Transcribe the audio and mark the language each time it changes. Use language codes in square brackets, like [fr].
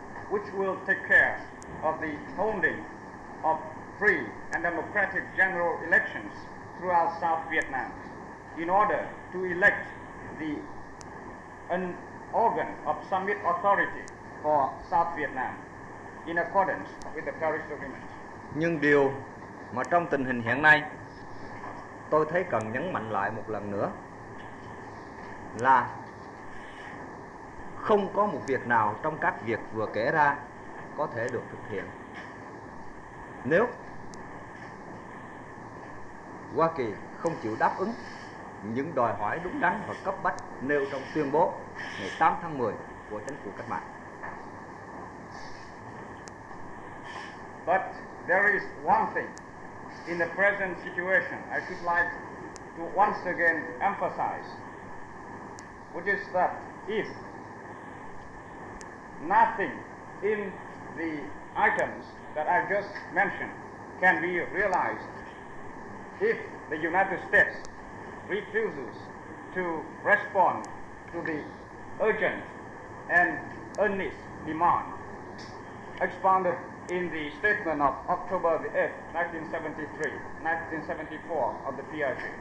[en] which will take care of the holding of free and democratic general elections throughout South Vietnam in order to elect an organ of summit authority for South Vietnam in accordance with the Paris Agreement. [vi] Nhưng điều mà trong tình hình hiện nay tôi thấy cần nhấn mạnh lại một lần nữa là không có một việc nào trong các việc vừa kể ra có thể được thực hiện nếu Hoa Kỳ không chịu đáp ứng những đòi hỏi đúng đắn và cấp bách nêu trong tuyên bố ngày 8 tháng 10 của chính phủ cách mạng. [en] But there is one thing in the present situation I should like to once again emphasize, which is that if nothing in the items that I just mentioned can be realized, if the United States refuses to respond to the urgent and earnest demand expounded in the statement of October the 8th, 1973, 1974 of the PRG.